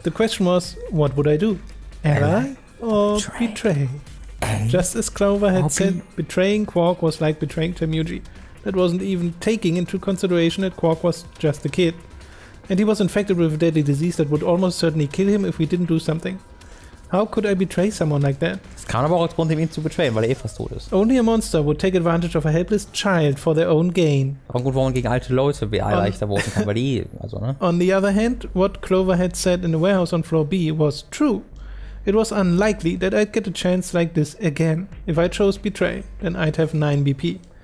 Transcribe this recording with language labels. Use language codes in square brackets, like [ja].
[en] The question was, what would I do? Ally or betray? Just as Clover had said, betraying Quark was like betraying Temuji. That wasn't even taking into consideration that Quark was just a kid. And he was infected with a deadly disease that would almost certainly kill him if we didn't do something. How could I betray someone like that? [de] Es kam aber auch als Grund, ihn zu betrayen, weil er eh fast tot ist. [en] Only a monster would take advantage of a helpless child for their own gain. [de] Aber gut, warum gegen alte Leute wie er leichter voten kann, weil die, also, ne? [en] On the other hand, what Clover had said in the warehouse on floor B was true. It was unlikely that I'd get a chance like this again. If I chose betray, then I'd have 9 BP.